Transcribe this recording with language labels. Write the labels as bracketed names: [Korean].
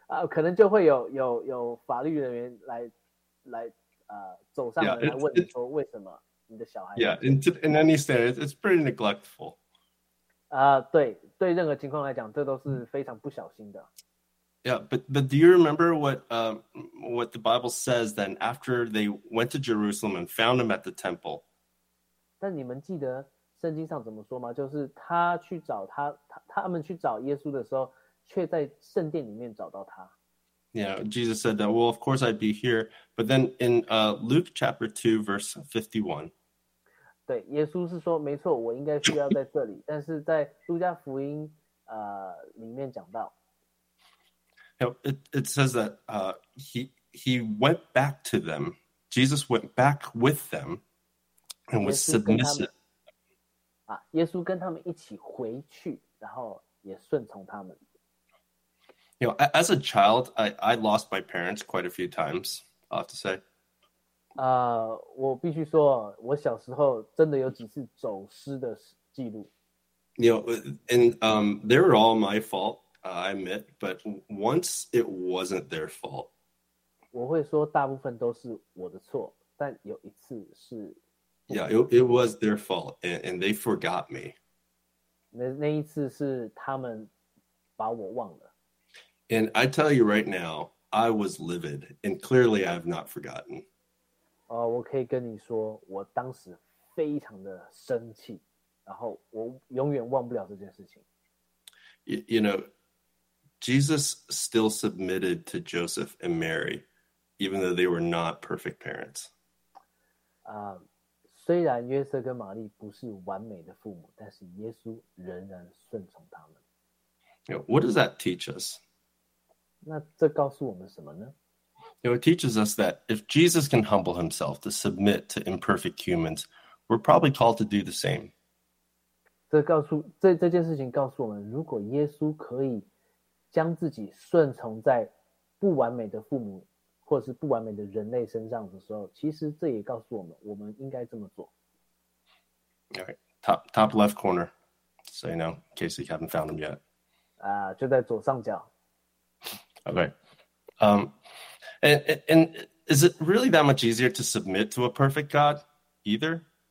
[Chinese] 可能就会有法律人员来走上门来问你说为什么你的小孩。 [English] Yeah, in any state, it's pretty neglectful. [Chinese] 对任何情况来讲，这都是非常不小心的。 [English] Yeah, but do you remember what the Bible says then after they went to Jerusalem and found him at the temple? [Chinese] 但你们记得圣经上怎么说吗？就是他们去找耶稣的时候，却在圣殿里面找到他。 [English] Yeah, Jesus said that. Well, of course I'd be here, but then in Luke chapter 2, verse 51. [Chinese] 对，耶稣是说，没错，我应该需要在这里。但是在路加福音，里面讲到 [English] ，it says that he went back to them. Jesus went back with them and was submissive. [Chinese] 耶稣跟他们一起回去，然后也顺从他们。 [English] You know, as a child, I lost my parents quite a few times. I have to say. [Chinese] 我必须说，我小时候真的有几次走失的记录。 [English] You know, and they were all my fault, I admit, but once it wasn't their fault. [Chinese] 我会说大部分都是我的错，但有一次是。 [English] Yeah, it was their fault, and they forgot me. [Chinese] 那一次是他们把我忘了。 [English] And I tell you right now, I was livid, and clearly I have not forgotten. [Chinese] 我可以跟你说，我当时非常的生气，然后我永远忘不了这件事情。 [English] You know, Jesus still submitted to Joseph and Mary, even though they were not perfect parents. [Chinese] 虽然约瑟跟玛丽不是完美的父母，但是耶稣仍然顺从他们。 [English] You know, what does that teach us? [Chinese] 那这告诉我们什么呢？ [English] You know, it teaches us that if Jesus can humble himself to submit to imperfect humans, we're probably called to do the same. [Chinese] 这件事情告诉我们，如果耶稣可以将自己顺从在不完美的父母或是不完美的人类身上的时候，其实这也告诉我们，我们应该这么做。 [English] All right, top left corner. So you know, in case you haven't found him yet. [Chinese] 就在左上角。 [English] Okay. And is it really that much easier to submit to a perfect God, either?